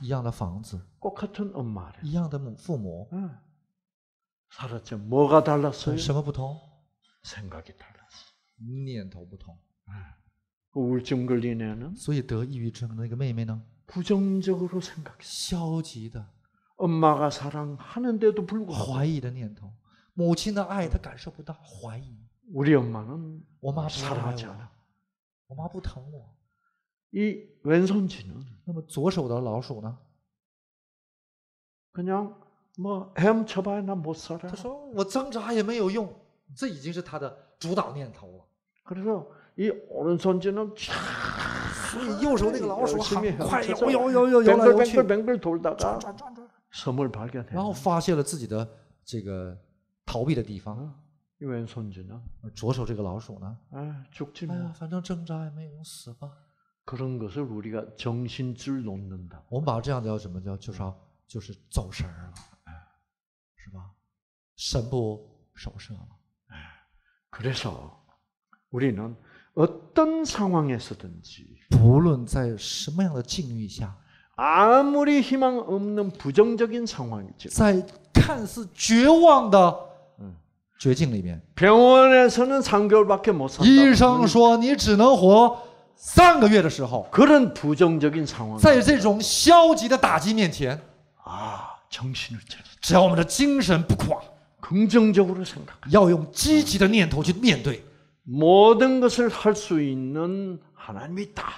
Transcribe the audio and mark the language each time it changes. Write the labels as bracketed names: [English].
[Chinese] 一样的房子, [Korean] 똑같은 엄마를, [Chinese] 一样的父母, [Korean] 살았죠. 뭐가 달랐어요? [Chinese] 什么不同? [Korean] 생각이 달랐어. [Chinese] 念头不同. [Korean] 우울증 걸린 애는, [Chinese] 所以得抑郁症的那个妹妹呢? [Korean] 부정적으로 생각했어. [Chinese] 消极的. [Korean] 엄마가 사랑하는데도 불구하고, [Chinese] 怀疑的念头. 母亲的爱他感受不到, 怀疑. [Korean] 우리 엄마는 사랑하지 않아. [Chinese] 我妈不疼我. [Korean] 이 왼손 쥐는, [Chinese] 那么左手的老鼠呢? [Korean] 그냥 뭐 헤엄 쳐봐야 난 못 살아. [Chinese] 他说我挣扎也没有用. 这已经是他的主导念头了. [Korean] 그래서 이 오른손 쥐는 [Chinese] 所以右手那个老鼠很快游来游去， [Korean] 蹦글蹦글蹦글돌다가 섬을 발견해. [Chinese] 然后发现了自己的 这个逃避的地方. [Korean] 왼손쥐 [Chinese] 呢？左手这个老鼠呢？ [Korean] 죽지 마. [Chinese] 反正挣扎也没用，死吧。 [Korean] 그런 것을 우리가 정신줄 놓는다. [Chinese] 我们把这样的叫什么叫？就是走神了，是吧？神不守舍了。哎， [Korean] 그래서 우리는 어떤 상황에서든지, [Chinese] 不论在什么样的境遇下, [Korean] 아무리 희망 없는 부정적인 상황일지, [Chinese] 在看似绝望的绝境里面, [Korean] 병원에서는 3개월밖에 못 산다. [Chinese] 医生说你只能活三个月的时候， [Korean] 그런부정적인상황， [Chinese] 在这种消极的打击面前， [Korean] 아정신을차려， [Chinese] 只要我们的精神不垮， [Korean] 긍정적으로생각， [Chinese] 要用积极的念头去面对， [Korean] 모든것을할수있는하나님이다，